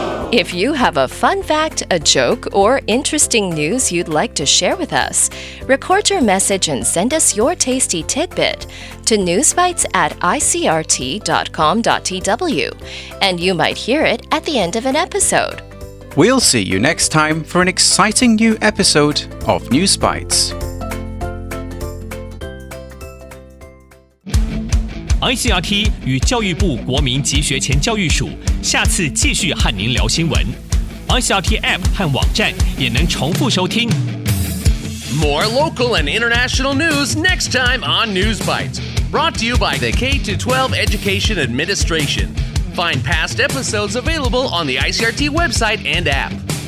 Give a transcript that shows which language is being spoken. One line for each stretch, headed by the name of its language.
English: If you have a fun fact, a joke, or interesting news you'd like to share with us, record your message and send us your tasty tidbit to newsbites@icrt.com.tw, and you might hear it at the end of an episode. We'll see you next time for an exciting new episode of News Bites.
Chinese: ICRT 与教育部国民及学前教育署下次继续和您聊新闻。 ICRT App 和网站也能重复收听。
English: More local and international news next time on News Bites. Brought to you by the K-12 Education Administration. Find past episodes available on the ICRT website and app.